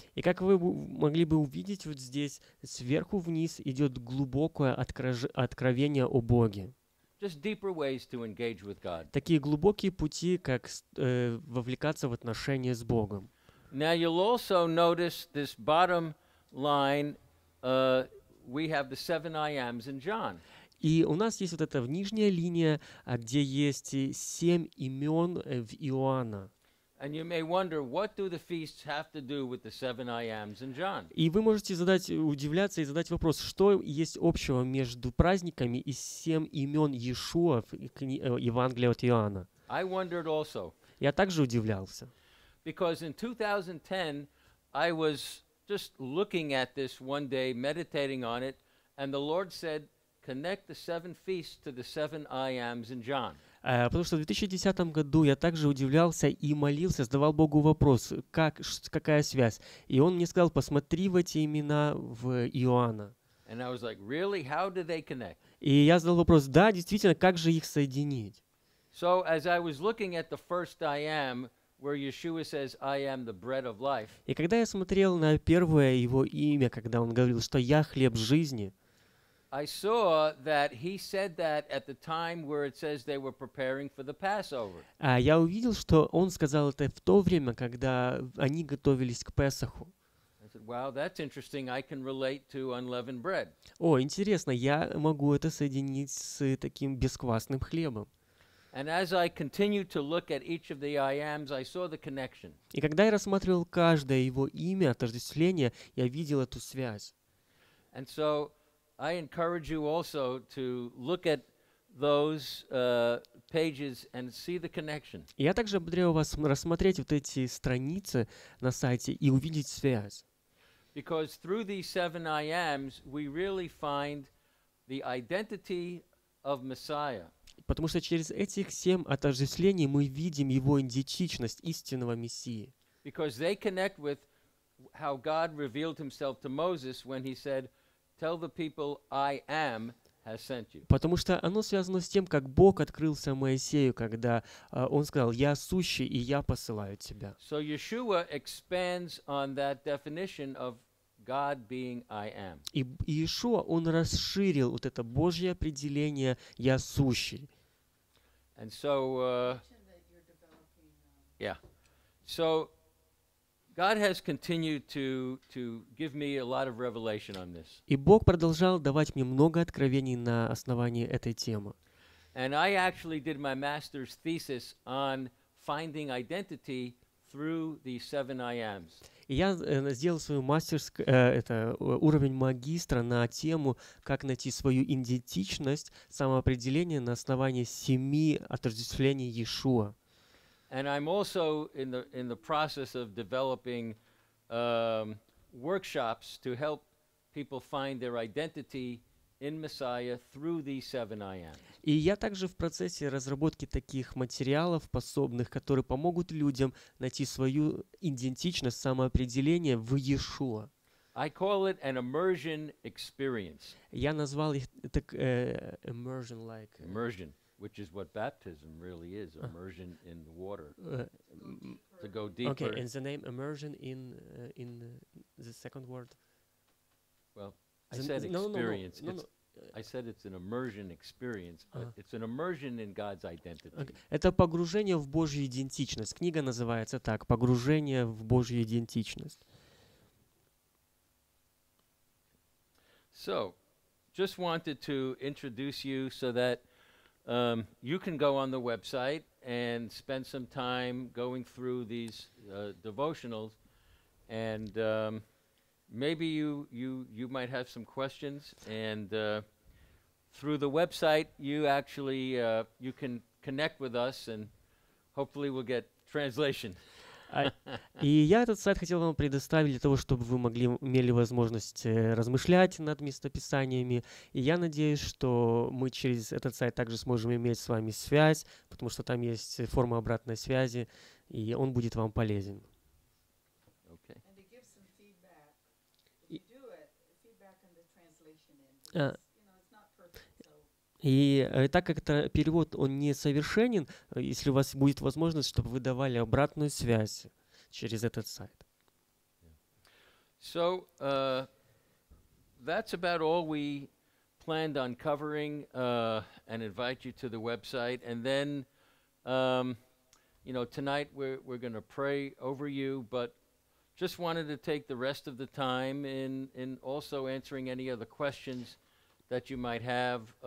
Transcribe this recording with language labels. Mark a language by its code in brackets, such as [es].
[ru] И как вы могли бы увидеть вот здесь сверху вниз идет глубокое откровение о Боге. [en] Just deeper ways to engage with God. [ru] Такие глубокие пути, как вовлекаться в отношения с Богом. [en] Now you'll also notice this bottom line. We have the seven I ams in John. [ru] И у нас есть вот эта нижняя линия, где есть семь имен в Иоанна. [en] And you may wonder, what do the feasts have to do with the seven I ams in John? [ru] И вы можете удивляться и задать вопрос, что есть общего между праздниками и семь имен Иешуа в Евангелии от Иоанна? [en] I wondered also. [ru] Я также удивлялся. [en] Because in 2010, I was just looking at this one day, meditating on it, and the Lord said, connect the seven feasts to the seven I ams in John. [ru] Потому что в 2010 году я также удивлялся и молился, задавал Богу вопрос, какая связь. И Он мне сказал, посмотри в эти имена в Иоанна. [en] And I was like, really? How do they connect? [ru] И я задал вопрос, да, действительно, как же их соединить? [en] So as I was looking at the first I am, where Yeshua says, I am the bread of life. [ru] И когда я смотрел на первое Его имя, когда Он говорил, что Я хлеб жизни, [en] I saw that he said that at the time where it says they were preparing for the Passover. [ru] Я увидел, что он сказал это в то время, когда они готовились к Песоху. [en] I said, "Wow, that's interesting. I can relate to unleavened bread." [ru] О, интересно, я могу это соединить с таким бесквасным хлебом. [en] And as I continued to look at each of the I ams, I saw the connection. [ru] И когда я рассматривал каждое его имя, отождествление, я видел эту связь. [en] And so I encourage you also to look at those pages and see the connection. [ru] Я также ободряю вас рассмотреть вот эти страницы на сайте и увидеть связь. [en] Because through these seven I ams, we really find the identity of Messiah. [ru] Потому что через этих семь отождествлений мы видим его идентичность истинного Мессии. [en] Because they connect with how God revealed himself to Moses when he said, Tell the people I am has sent you. [ru] Потому что оно связано с тем, как Бог открылся Моисею, когда он сказал: "Я сущий, и я посылаю тебя". [en] So Yeshua expands on that definition of God being I am. [ru] И Иешуа он расширил вот это Божье определение "Я сущий". [en] And so So God has continued to give me a lot of revelation on this. [ru] И Бог продолжал давать мне много откровений на основании этой темы. [en] And I actually did my master's thesis on finding identity through these seven I ams. [ru] И я сделал свою мастерскую, это уровень магистра на тему, как найти свою идентичность, самоопределение на основании семи отождествлений Иешуа. [en] And I'm also in the process of developing workshops to help people find their identity in Messiah through these seven I ams. [ru] И я также в процессе разработки таких материалов, пособных, которые помогут людям найти свою идентичность, самоопределение в Иешуа. [en] I call it an immersion experience. [ru] Я назвал их так [en] immersion like immersion, which is what baptism really is, immersion in the water. To go deeper. Okay, and the name immersion in the second word. Well, experience. I said it's an immersion experience, but it's an immersion in God's identity. [ru] Это погружение в Божью идентичность. Книга называется так: «Погружение в Божью идентичность». [en] So, just wanted to introduce you so that you can go on the website and spend some time going through these devotionals, and maybe you might have some questions and. Through the website, you actually you can connect with us, and hopefully we'll get translation. [ru] И я этот сайт хотел вам предоставить для того, чтобы вы могли имели возможность размышлять над местописаниями. И я надеюсь, что мы через этот сайт также сможем иметь с вами связь, потому что там есть форма обратной связи, и он будет вам полезен. [en] Okay. And to give some feedback on the translation end. [ru] И так как это перевод, он не совершенен, если у вас будет возможность, чтобы вы давали обратную связь через этот сайт. [en] So, that's about all we planned on covering, and invite you to the website. And then, you know, tonight we're going to pray over you, but just wanted to take the rest of the time in also answering any other questions that you might have.